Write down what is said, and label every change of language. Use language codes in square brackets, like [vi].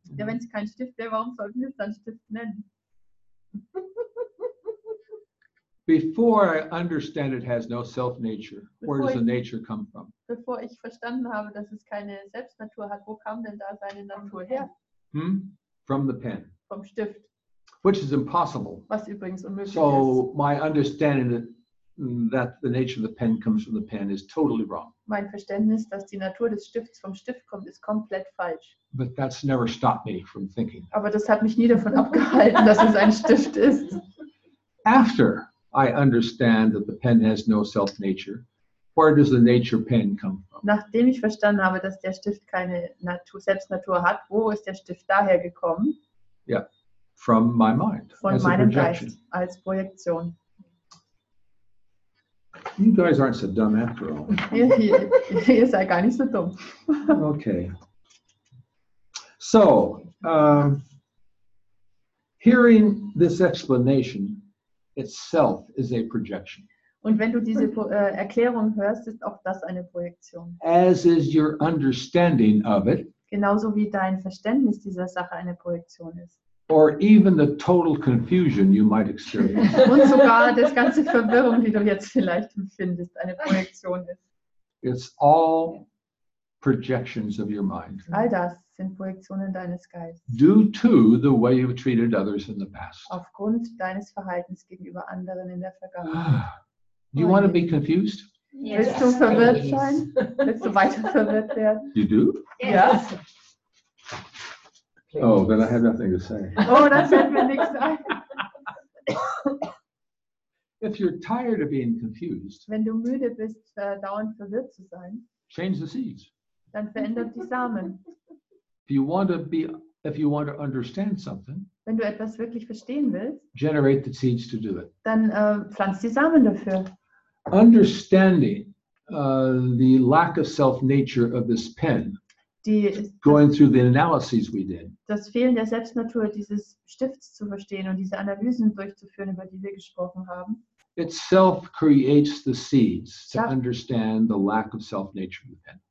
[de] Ja, wenn es kein Stift wäre, warum sollten wir es dann Stift nennen? [en] Before I understand it has no self-nature, where does the nature come from? [de] Bevor ich verstanden habe, dass es keine Selbstnatur hat, wo kam denn da seine Natur her? [en] Hm? From the pen. [de] Vom Stift. [en] Which is impossible. [de] Was übrigens unmöglich ist. [en] So my understanding that the nature of the pen comes from the pen is totally wrong. [de] Mein Verständnis, dass die Natur des Stifts vom Stift kommt, ist komplett falsch. [en] But that's never stopped me from thinking. [de] Aber das hat mich nie davon abgehalten, dass es ein Stift ist. [en] After I understand that the pen has no self-nature, where does the nature pen come from? [de] Nachdem ich verstanden habe, dass der Stift keine Natur, Selbstnatur hat, wo ist der Stift daher gekommen? [en] Yeah, from my mind. [de] Von [en] as [de] meinem [en] a projection. [de] Geist als Projektion. [en] You guys aren't so dumb after all. [de] Ihr seid gar nicht so dumm. [en] Okay. So, hearing this explanation itself is a projection. [de] Und wenn du diese Erklärung hörst, ist auch das eine Projektion. [en] As is your understanding of it. [de] Genauso wie dein Verständnis dieser Sache eine Projektion ist. [en] Or even the total confusion you might experience. [de] Und sogar das ganze Verwirrung, die du jetzt vielleicht empfindest, eine Projektion ist. [en] It's all projections of your mind. [de] All das sind Projektionen deines Geistes. [en] Due to the way you've treated others in the past. [de] Aufgrund deines Verhaltens gegenüber anderen in der Vergangenheit. [en] Do you want to be confused? Yes. [de] Willst du verwirrt sein? Willst du weiter verwirrt werden? [en] You do? Yes. [de] Ja. [en] Oh, then I have nothing to say. Oh, that's it, Felix. If you're tired of being confused, [de] wenn du müde bist, dauernd verwirrt zu sein, [en] change the seeds. [de] Dann verändert die Samen. [en] If you want to understand something, [de] wenn du etwas wirklich verstehen willst, [en] generate the seeds to do it. [de] Dann pflanz die Samen dafür. [en] Understanding the lack of self-nature of this pen. Going through the analyses we did. [de] Das Fehlen der Selbstnatur dieses Stifts zu verstehen und diese Analysen durchzuführen, über die wir gesprochen haben. [en] Itself creates the seeds to understand the lack of self-nature of the pen.